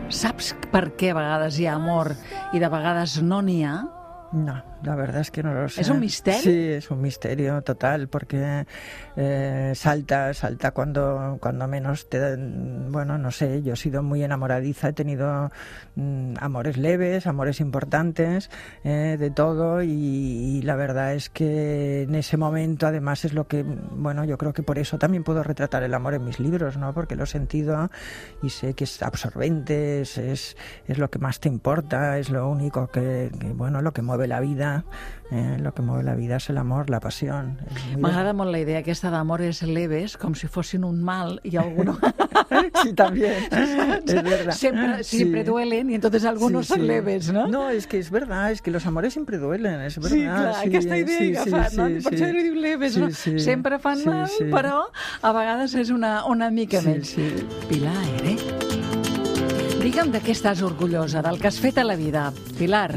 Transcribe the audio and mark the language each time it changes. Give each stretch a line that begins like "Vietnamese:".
Catalan: Saps per què a vegades hi ha amor i de vegades no n'hi ha?
Spanish: No, la verdad es que no lo sé. ¿Es un misterio? Sí, es un misterio total, porque salta cuando menos te dan. Bueno, no sé, yo he sido muy enamoradiza, he tenido amores leves, amores importantes, de todo, y la verdad es que en ese momento, además, es lo que, bueno, yo creo que por eso también puedo retratar el amor en mis libros, ¿no? Porque lo he sentido y sé que es absorbente, es lo que más te importa, es lo único lo que mueve la vida. El que mueve la vida es el amor, la pasión. M'agrada molt la idea aquesta d' amores leves, com si fossin un mal i algun... Sí, también. Es verdad. Siempre sí. Duelen y entonces algunos sí, sí. Son leves, ¿no? No, es que es verdad, es que los amores siempre duelen, es verdad.
Catalan: Sí, clar, sí, aquesta idea sí, que sí, fan, sí, no? Sí, per això sí. Diu leves, sí, no? Sí, sempre fan sí, mal, sí. Però a vegades és una mica sí, menys. Sí. Pilar Eire, digue'm de què estàs orgullosa, del que has fet a la vida, Pilar.